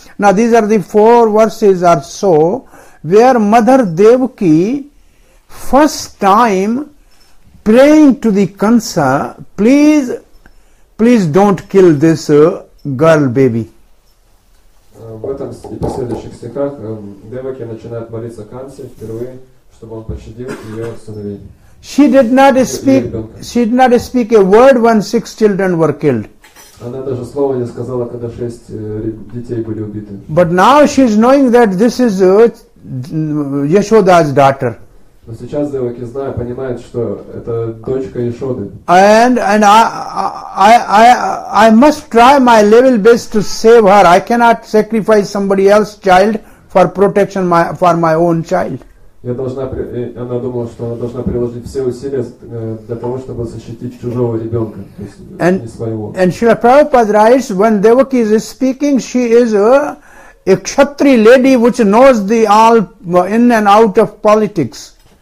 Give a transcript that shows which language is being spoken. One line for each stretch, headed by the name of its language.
English: Now these are the four verses or so where Mother Devaki first time praying to the Kansa, please don't kill this girl baby.
Russian: В этом и последующих стихах Деваки начинает молиться Кансе впервые, чтобы он пощадил ее сыновей.
English: She did not speak a word when six children were killed.
Russian: Она даже слова не сказала, когда шесть детей были убиты.
English: But now she is knowing that this is Yashoda's daughter.
Russian: Но сейчас Деваки знает, понимает, что это дочка Яшоды.
English: And I must try my level best to save her. I cannot sacrifice somebody else's child for protection for my own child.
Russian: Она думала, что она должна приложить все усилия для того, чтобы защитить чужого ребенка, то есть не своего.
English: And Srila Prabhupada writes, when Devaki is speaking, she is a kshatri lady which knows the all in and out of politics.